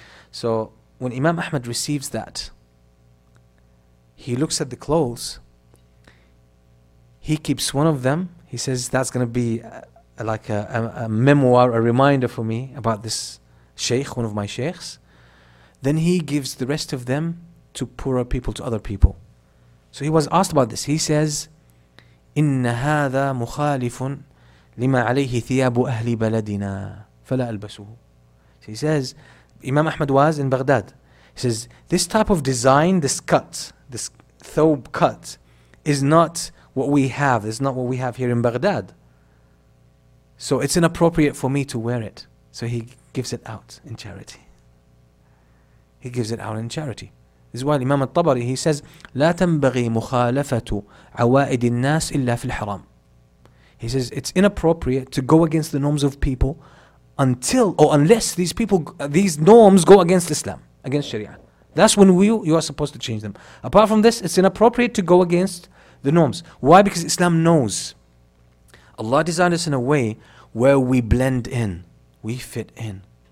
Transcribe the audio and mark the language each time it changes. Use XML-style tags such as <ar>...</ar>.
<en>So when Imam Ahmad receives that, he looks at the clothes, he keeps one of them, he says, that's going to be like a memoir, a reminder for me about this sheikh, one of my sheikhs. Then he gives the rest of them to poorer people, to other people. So he was asked about this. He says,</en> <ar>إِنَّ هَذَا مُخَالِفٌ لِمَا عَلَيْهِ ثِيَابُ أَهْلِ بَلَدِنَا فَلَا أَلْبَسُهُ.</ar> <en>So he says, Imam Ahmad was in Baghdad. He says, this type of design, this cut, this thobe cut, is not what we have. It's not what we have here in Baghdad. So it's inappropriate for me to wear it. So he gives it out in charity. He gives it out in charity. This is why Imam al-Tabari, he says,</en> <ar>لا تنبغي مخالفة عوائد الناس إلا في الحرام.</ar> <en>He says, it's inappropriate to go against the norms of people unless these people, these norms go against Islam, against Sharia. That's when you are supposed to change them. Apart from this, it's inappropriate to go against the norms. Why? Because Islam knows. Allah designed us in a way where we blend in, we fit in.</en>